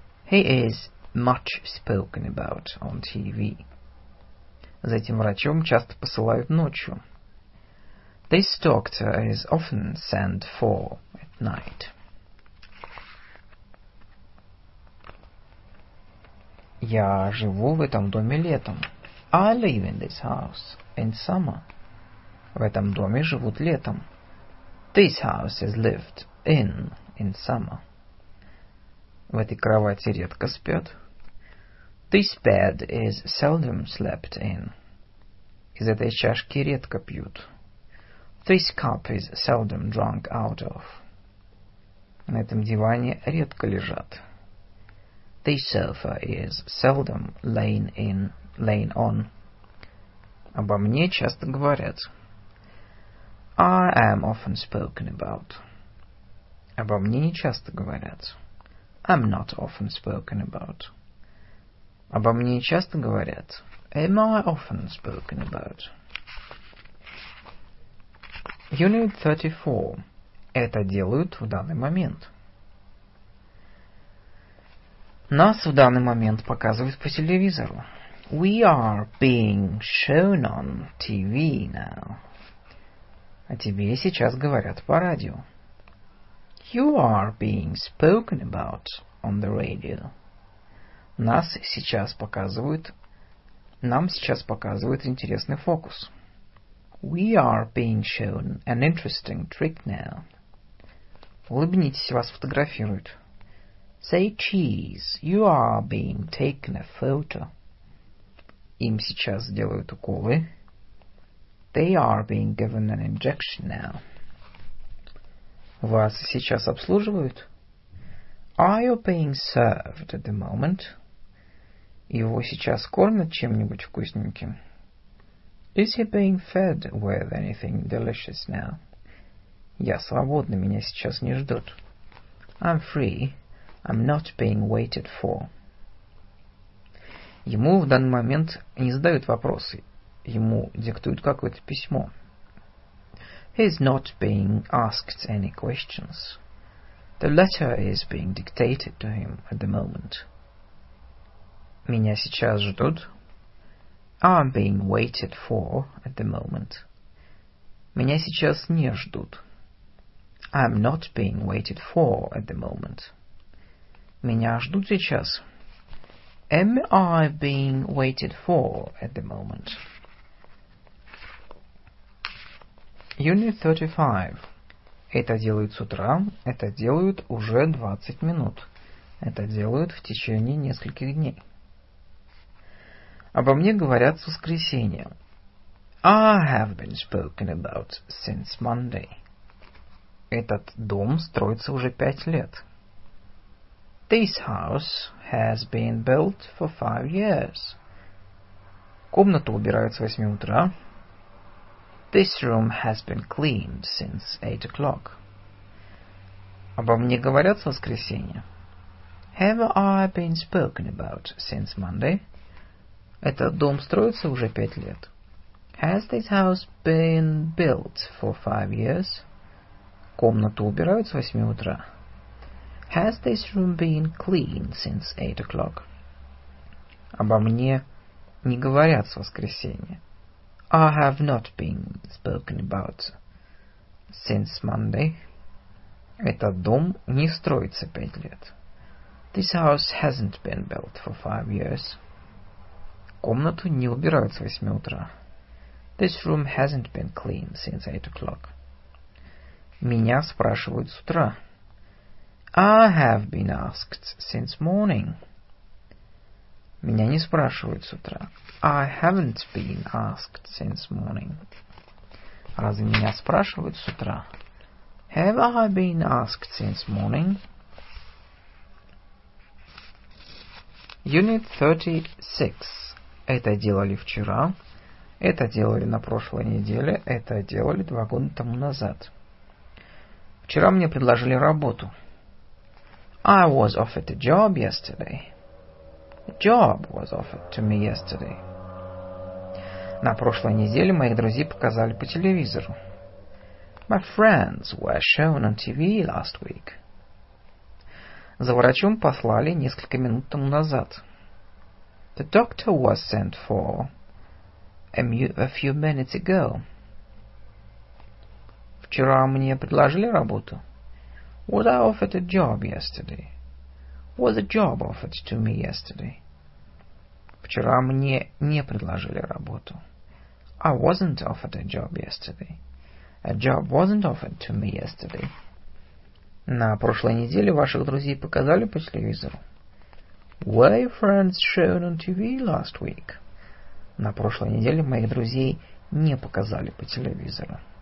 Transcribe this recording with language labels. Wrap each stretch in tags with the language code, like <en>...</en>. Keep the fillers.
<en>He is much spoken about on TV.</en> <ru>За этим врачом часто посылают ночью.</ru> <en>This doctor is often sent for at night.</en> <ru>Я живу в этом доме летом.</ru> <en>I live in this house in summer.</en> <ru>В этом доме живут летом.</ru> <en>This house is lived in in summer.</en> <ru>В этой кровати редко спят.</ru> <en>This bed is seldom slept in.</en> <ru>Из этой чашки редко пьют.</ru> <en>This cup is seldom drunk out of.</en> <ru>На этом диване редко лежат.</ru> <en>This sofa is seldom lain in, lain on.</en> <ru>Обо мне часто говорят.</ru> <en>I am often spoken about.</en> <ru>Обо мне не часто говорят.</ru> <en>I'm not often spoken about.</en> <ru>Обо мне часто говорят.</ru> <en>Am I often spoken about? Unit 34.</en> <ru>Это делают в данный момент. Нас в данный момент показывают по телевизору.</ru> <en>We are being shown on TV now.</en> <ru>О тебе сейчас говорят по радио.</ru> <en>You are being spoken about on the radio.</en> <ru>Нас сейчас показывают... Нам сейчас показывают интересный фокус.</ru> <en>We are being shown an interesting trick now.</en> <ru>Улыбнитесь, вас фотографируют.</ru> <en>Say cheese, you are being taken a photo.</en> <ru>Им сейчас делают уколы.</ru> <en>They are being given an injection now.</en> <ru>Вас сейчас обслуживают?</ru> <en>Are you being served at the moment?</en> <ru>Его сейчас кормят чем-нибудь вкусненьким?</ru> <en>Is he being fed with anything delicious now?</en> <ru>Я свободна, меня сейчас не ждут.</ru> <en>I'm free. I'm not being waited for.</en> <ru>Ему в данный момент не задают вопросы. Ему диктуют какое-то письмо.</ru> <en>He is not being asked any questions. The letter is being dictated to him at the moment.</en> <ru>Меня сейчас ждут.</ru> <en>I'm being waited for at the moment.</en> <ru>Меня сейчас не ждут.</ru> <en>I'm not being waited for at the moment.</en> <ru>Меня ждут сейчас.</ru> <en>Am I being waited for at the moment? Unit 35.</en> <ru>Это делают с утра, это делают уже 20 минут. Это делают в течение нескольких дней. Обо мне говорят с воскресенья.</ru> <en>I have been spoken about since Monday.</en> <ru>Этот дом строится уже пять лет.</ru> <en>This house has been built for five years.</en> <ru>Комнату убирают с восьми утра.</ru> <en>This room has been cleaned since eight o'clock.</en> <ru>Обо мне говорят с воскресенья.</ru> <en>Have I been spoken about since Monday?</en> <ru>Этот дом строится уже пять лет.</ru> <en>Has this house been built for five years?</en> <ru>Комнату убирают с восьми утра.</ru> <en>Has this room been cleaned since eight o'clock?</en> <ru>Обо мне не говорят с воскресенья.</ru> <en>I have not been spoken about since Monday.</en> <ru>Этот дом не строится пять лет.</ru> <en>This house hasn't been built for five years.</en> <ru>Комнату не убирают с восьми утра.</ru> <en>This room hasn't been cleaned since eight o'clock.</en> <ru>Меня спрашивают с утра.</ru> <en>I have been asked since morning.</en> <ru>Меня не спрашивают с утра.</ru> <en>I haven't been asked since morning.</en> <ru>Разве меня спрашивают с утра?</ru> <en>Have I been asked since morning? Unit 36.</en> <ru>Это делали вчера. Это делали на прошлой неделе. Это делали два года тому назад. Вчера мне предложили работу.</ru> <en>I was offered a job yesterday. A job was offered to me yesterday.</en> <ru>На прошлой неделе моих друзей показали по телевизору.</ru> <en>My friends were shown on TV last week.</en> <ru>За врачом послали несколько минут тому назад.</ru> <en>The doctor was sent for a, mu- a few minutes ago.</en> <ru>Вчера мне предложили работу.</ru> <en>Was I offered a job yesterday? Was a job offered to me yesterday?</en> <ru>Вчера мне не предложили работу.</ru> <en>I wasn't offered a job yesterday. A job wasn't offered to me yesterday.</en> <ru>На прошлой неделе ваших друзей показали по телевизору.</ru> <en>Were your friends shown on TV last week?</en> <ru>На прошлой неделе моих друзей не показали по телевизору.</ru>